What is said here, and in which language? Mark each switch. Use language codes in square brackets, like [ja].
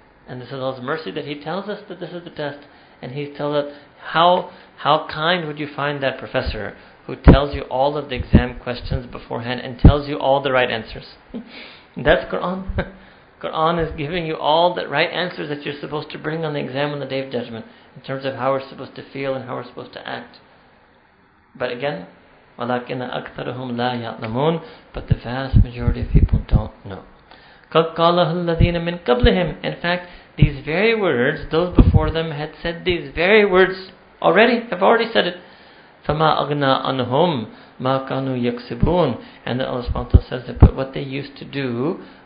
[en] And this is Allah's mercy that He tells us that this is the test. And He tells us, how kind would you find that professor who tells you all of the exam questions beforehand and tells you all the right answers? That's Quran. Quran is giving you all the right answers that you're supposed to bring on the exam on the Day of Judgment in terms of how we're supposed to feel and how we're supposed to act. But again, [ar] وَلَكِنَّ أَكْثَرُهُمْ لَا يَعْلَمُونَ. [en] But the vast majority of people don't know. [ar] قَالَهُ الَّذِينَ مِنْ قَبْلِهِمْ. [en] In fact, these very words, those before them had said these very words already, have already said it. [ar] فَمَا أَغْنَى عَنْهُمْ مَا كَانُوا يَكْسِبُونَ. [en] And then Allah subhanahu wa ta'ala says that, but what they used to do,